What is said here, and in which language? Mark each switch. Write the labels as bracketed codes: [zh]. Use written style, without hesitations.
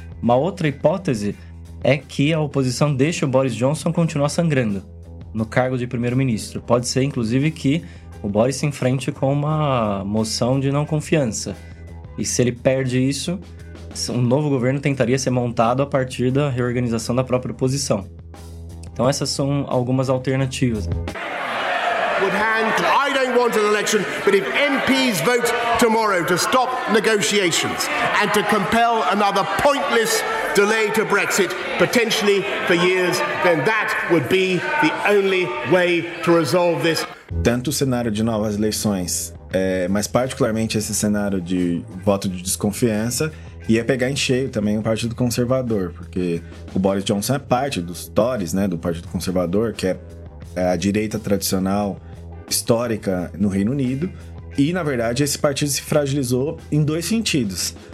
[pt] Uma outra hipótese é que a oposição deixe o Boris Johnson continuar sangrando no cargo de primeiro-ministro. Pode ser, inclusive, que o Boris se enfrente com uma moção de não confiança. E se ele perde isso, um novo governo tentaria ser montado a partir da reorganização da própria oposição. Então essas são algumas alternativas. [en] I don't want an election, but if MPs vote tomorrow to stop negotiations and to compel another pointless delay to Brexit, potentially for years, then that would be the only way to resolve this. [pt] Tanto o cenário de novas eleições, mas particularmente esse cenário de voto de desconfiança, ia pegar em cheio também o Partido Conservador, porque o Boris Johnson é parte dos Tories, né, do Partido Conservador, que é a direita tradicional histórica no Reino Unido, e na verdade esse partido se fragilizou em dois sentidos.